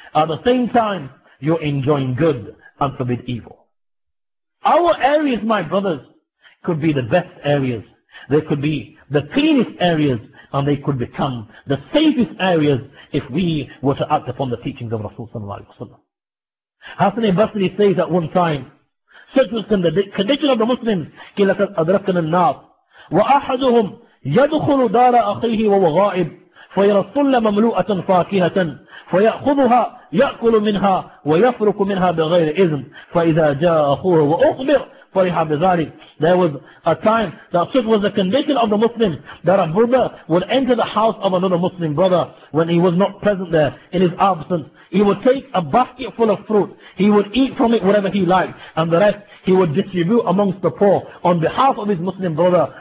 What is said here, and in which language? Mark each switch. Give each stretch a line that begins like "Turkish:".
English: At the same time, you enjoin good and forbid evil. Our areas, my brothers, could be the best areas. They could be the cleanest areas, and they could become the safest areas if we were to act upon the teachings of Rasul sallallahu alayhi wa sallam. Hassan al-Basri says at one time, such was the condition of the Muslims,
Arabic: كِلَكَ أَدْرَكَنَ النَّاسِ وَأَحَدُهُمْ يَدْخُلُ دَارَ أَخِيهِ وَهُوَ غَائِبٌ فَيَرَى الصُّلَّ مَمْلُوءَةً فَاكِهَةً فَيَأْخُذُهَا يَأْكُلُ مِنْهَا وَيَفْرُكُ مِنْهَا بِغَيْرِ إِذْنٍ فَإِذَا جَاءَ أَخُوهُ وَأُخْبِرْ فَرِحَ بِذَلِكَ.
English: There was a time that such was the condition of the Muslims that a brother would enter the house of another Muslim brother when he was not present there in his absence. He would take a basket full of fruit. He would eat from it whatever he liked, and the rest he would distribute amongst the poor on behalf of his Muslim brother.